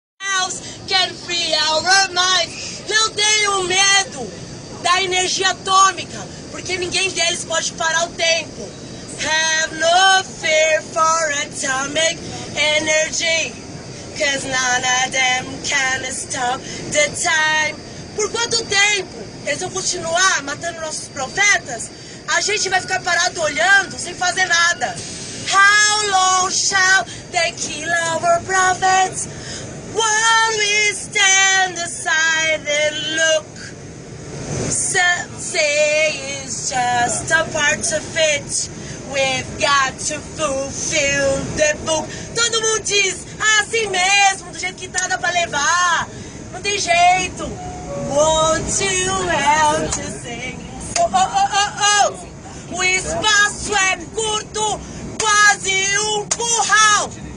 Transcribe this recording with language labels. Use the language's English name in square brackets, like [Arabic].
[Portuguese] Deus, [English] carefree, all right, [Portuguese] mas não tenho medo da energia atômica, porque ninguém deles pode parar o tempo. [English] Have no fear for atomic energy, cause none of them can stop the time. [Portuguese] Por quanto tempo eles vão continuar matando nossos profetas? A gente vai ficar parado olhando sem fazer nada. [English] How long shall they kill our prophets while we stand aside and look? Say it's just a part of it. We've got to fulfill the book. [Portuguese] Todo mundo diz assim mesmo, do jeito que tá, dá pra levar. Não tem jeito. [English] Won't you help to sing? Oh, oh, oh, oh, oh. [Portuguese] O espaço é curto, quase um curral.